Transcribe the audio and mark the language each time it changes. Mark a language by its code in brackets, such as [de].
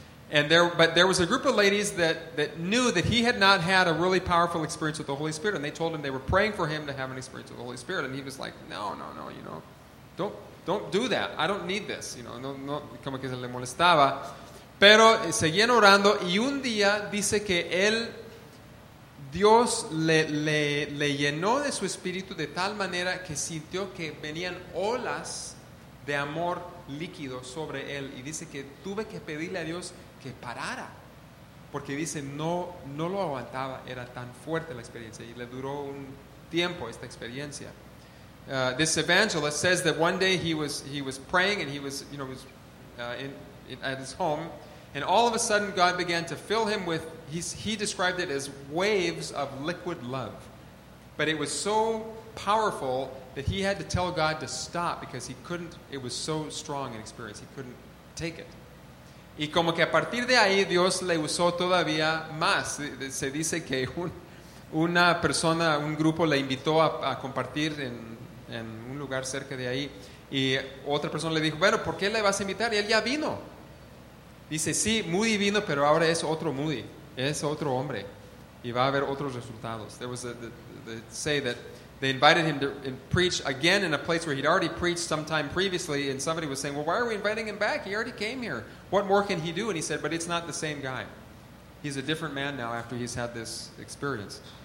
[en] But there was a group of ladies that knew that he had not had a really powerful experience with the Holy Spirit. And they told him they were praying for him to have an experience with the Holy Spirit. And he was like, no, you know, don't do that. I don't need this. You know, no, [es] como que se le molestaba. Pero seguían orando y un día dice que él, Dios le llenó de su espíritu de tal manera que sintió que venían olas de amor líquido sobre él. Y dice que tuve que pedirle a Dios que parara, porque dice no lo aguantaba, era tan fuerte la experiencia y le duró un tiempo esta experiencia. [en] This evangelist says that one day he was praying and he was at his home. And all of a sudden, God began to fill him with, he described it as waves of liquid love. But it was so powerful that he had to tell God to stop because he couldn't, it was so strong an experience, he couldn't take it. [es] Y como que a partir de ahí, Dios le usó todavía más. Se dice que una persona, un grupo le invitó a compartir en un lugar cerca de ahí. Y otra persona le dijo, bueno, ¿por qué le vas a invitar? Y él ya vino. Dice, sí, Moody vino, pero ahora es otro Moody, es otro hombre, y va a haber otros resultados. [en] There was say that they invited him to preach again in a place where he'd already preached some time previously, and somebody was saying, well, why are we inviting him back? He already came here. What more can he do? And he said, but it's not the same guy. He's a different man now after he's had this experience.